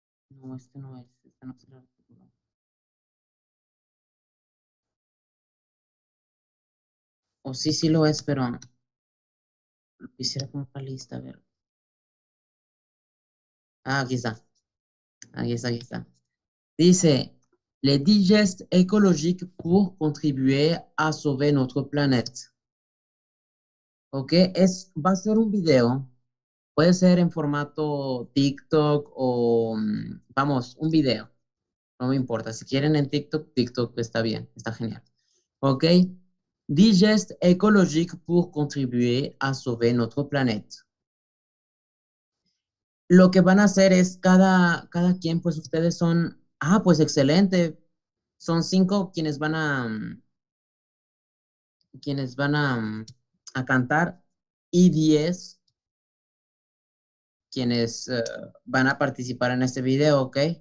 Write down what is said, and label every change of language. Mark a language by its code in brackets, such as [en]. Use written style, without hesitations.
[es] No, este no es. Este no es el artículo. O sí, sí lo es, pero lo quisiera como una lista, a ver. Ah, aquí está. Aquí está, aquí está. Dice: [fr] Le digest écologique pour contribuer à sauver notre planète. [es] Ok, va a ser un video. Puede ser en formato TikTok o, vamos, un video. No me importa. Si quieren en TikTok, TikTok está bien, está genial. Ok. [fr] Digest écologique pour contribuer à sauver notre planète. [es] Lo que van a hacer es cada quien, pues ustedes son. Ah, pues excelente. Son cinco quienes van a. Quienes van a cantar y 10 quienes van a participar en este video, ¿ok?